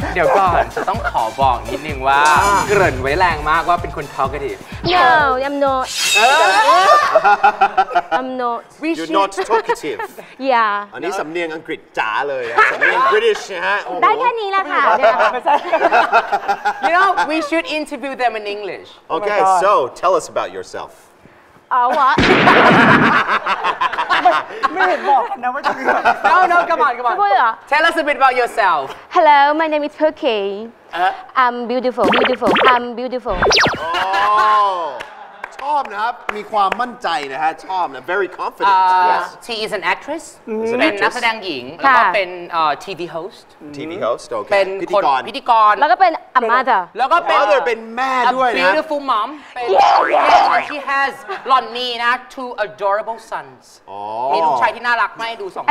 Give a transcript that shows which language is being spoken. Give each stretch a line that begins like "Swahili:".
Thai: เดี๋ยวก่อนจะต้องขอบอกนิดนึงว่าเกริ่นไว้แรงมากว่าเป็นคนทอล์กดิฟ
English: โน่ I'm not I'm not you're not talkative yeah
Thai: อันนี้สำเนียงอังกฤษจ๋าเลยสำเนียงบริติชฮะ ได้แค่นี้ละค่ะ
English: you know we should interview them in English okay so tell us about yourself oh what
Thai: ไม่เห็นบอกนะว่าจะ มีแบบ นั้น
English: นะกระบาดกระบาด Tell us a bit about yourself Hello my name is Turkey I'm beautiful beautiful I'm beautiful
Thai: ชอบนะครับมีความมั่นใจนะฮะชอบนะ
English: very confident She is an actress
Thai: เป็นนักแสดงหญิงแล้วก็เป็น
English: TV host TV host โอเค
Thai: เป็นพิธีกร แล้วก็เป็น
English: a mother
Thai: แล้วก็เป็น mother เป็นแม่ด้วยนะ
English: beautiful mom She has
Thai: หล่อนนี่นะ
English: two adorable sons
Thai: มีลูกชายที่น่ารักไหมดูสองคน